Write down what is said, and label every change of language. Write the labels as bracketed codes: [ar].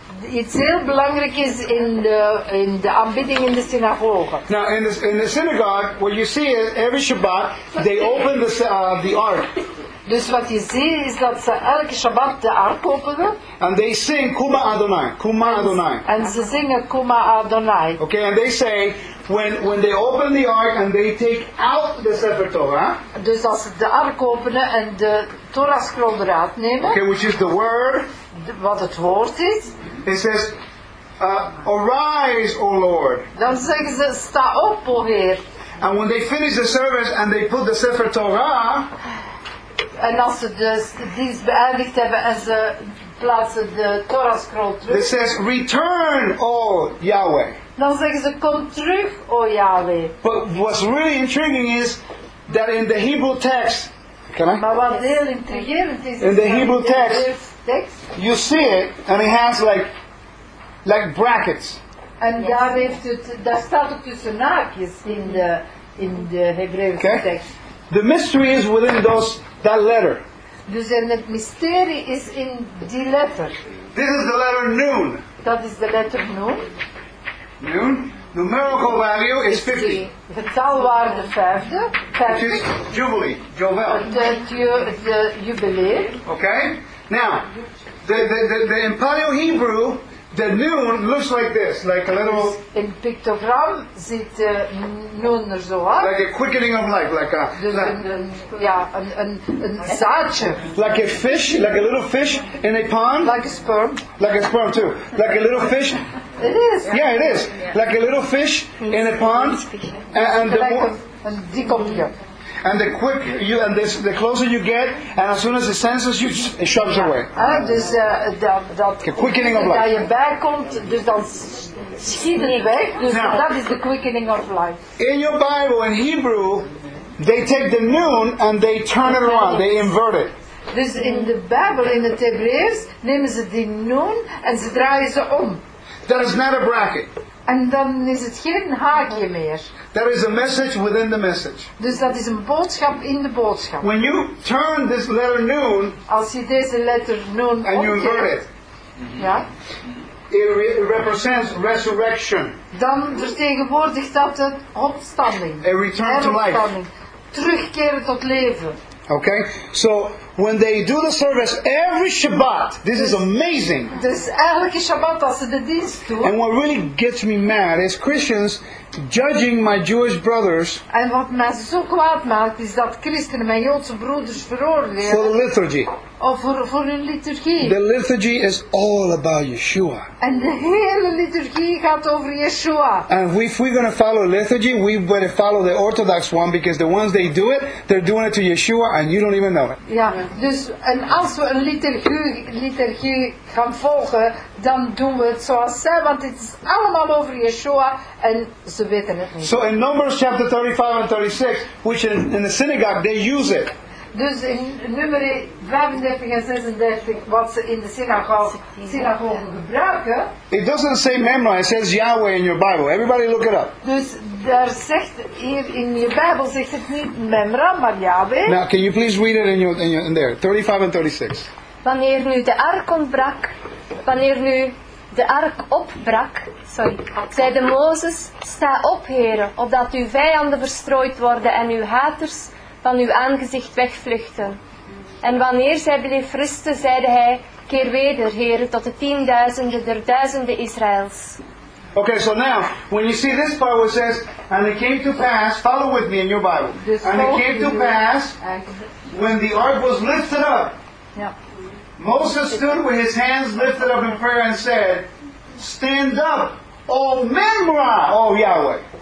[nl] Iets heel belangrijk is in de aanbidding in de synagoge. [en] Now in the synagogue, what you see is every Shabbat they open the ark. [nl] Dus wat je ziet is dat ze elke Shabbat de ark openen. [en] And they sing Kuma Adonai, Kuma Adonai. [nl] En ze zingen Kuma Adonai. [en] Okay, and they say when they open the ark and they take out the Sefer Torah. [nl] Dus als ze de ark openen en de Torah scroll eruit nemen. [en] Okay, which is the word. [nl] Wat het woord is. [en] It says, "Arise, O Lord." [nl] Dan zeggen ze, "Sta op, O Heer." [en] And when they finish the service and they put the Sefer Torah, [nl] en als ze dus de dienst beëindigd hebben en ze plaatsen de Torah scroll terug, [en] it says, "Return, O Yahweh." [nl] Dan zeggen ze, "Kom terug, O Yahweh." [en] But what's really intriguing is that in the Hebrew text, can I? [nl] Maar wat heel intrigerend is, [en] in the Hebrew text. You see it, and it has like brackets. [nl] And daar heeft het, daar staat het tussen haakjes in de Hebreeuwse okay. [en] Text. The mystery is within that letter. [nl] Dus en het mysterie is in die letter. [en] This is the letter Nun. [nl] Dat is de letter Nun. [en] Nun. Numerical value is 50. [nl] De taalwaarde 50. [en] Which is Jubilee, Jovel. The Jubilee. Okay. Now, the in Paleo Hebrew, the noon looks like this, like a little. [nl] In pictogram, ziet de noon er zo uit. [en] Like a quickening of life, like a. [nl] Een zaadje. [en] Like a fish, like a little fish in a pond. Like a sperm. Like a sperm too. Like a little fish. It is. Yeah, it is. Like a little fish in a pond, and the like a dikopje. And the quicker you, and this, the closer you get, and as soon as it senses you, it shoves away. [nl] Dus dat [en] quickening of life. [nl] Dat je bijkomt, dus dan schiet het weg. Dus dat is [en] the quickening of life. In your Bible, in Hebrew, they take the noon and they turn it around. They invert it. [nl] Dus in de Bijbel, in het Hebreeuws, nemen ze die noon en ze draaien ze om. [en] That is not a bracket. [nl] En dan is het geen haakje meer. [en] There is a message within the message. [nl] Dus dat is een boodschap in de boodschap. [en] When you turn this letter noon, [nl] als je deze letter noon [en] and you invert it, yeah, it represents resurrection. [nl] Dan vertegenwoordigt dat het opstanding. [en] A return to life. [nl] Terugkeren tot leven. [en] Okay, so when they do the service every Shabbat, this is amazing. [nl] Dus elke Shabbat als ze de dienst doen. [en] And what really gets me mad is Christians judging my Jewish brothers. [nl] En wat mij zo kwaad maakt is dat christenen mijn Joodse broeders veroordelen. [en] For the liturgy. [nl] Of voor hun liturgie. [en] The liturgy is all about Yeshua. [nl] En de hele liturgie gaat over Yeshua. [en] And if we're going to follow liturgy, we better follow the Orthodox one, because the ones they do it, they're doing it to Yeshua, and you don't even know it. [nl] Ja, dus en als we een liturgie gaan volgen, dan doen we het zoals zij, want het is allemaal over Yeshua, en ze weten het niet. [en] So in Numbers chapter 35 and 36, which in the synagogue, they use it. [nl] Dus in nummer 35 en 36, wat ze in de synagoge gebruiken. [en] It doesn't say memorize, it says Yahweh in your Bible. Everybody look it up. [nl] Dus daar zegt hier in je Bijbel zegt het niet memra, maar Yahweh. [en] Now can you please read it in there, 35 and 36. [nl] Wanneer nu de ark ontbrak, wanneer nu de ark opbrak, sorry, zei de Mozes, sta op, heren, opdat uw vijanden verstrooid worden en uw haters van uw aangezicht wegvluchten. En wanneer zij bleef rusten, zeide hij, keer weder, heren, tot de tienduizenden der duizenden Israëls. [en] Okay, so now, when you see this part where it says, and it came to pass, follow with me in your Bible, and it came to pass, when the ark was lifted up, Moses stood with his hands lifted up in prayer and said, stand up, O Memra, O Yahweh.